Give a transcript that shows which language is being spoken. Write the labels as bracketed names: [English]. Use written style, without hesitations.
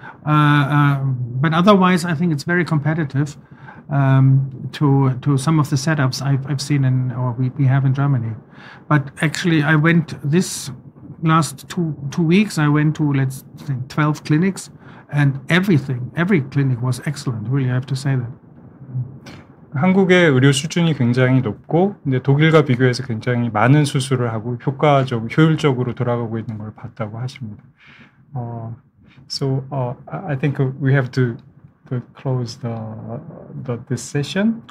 [English] But otherwise, I think it's very competitive to some of the setups I've seen in or we have in Germany. But actually, I went this last two weeks, I went to, let's say, 12 clinics, and every clinic was excellent. Really, I have to say that. [Korean] 한국의 의료 수준이 굉장히 높고 근데 독일과 비교해서 굉장히 많은 수술을 하고 효과적 효율적으로 돌아가고 있는 걸 봤다고 하십니다. [English] So I think we have to close this session.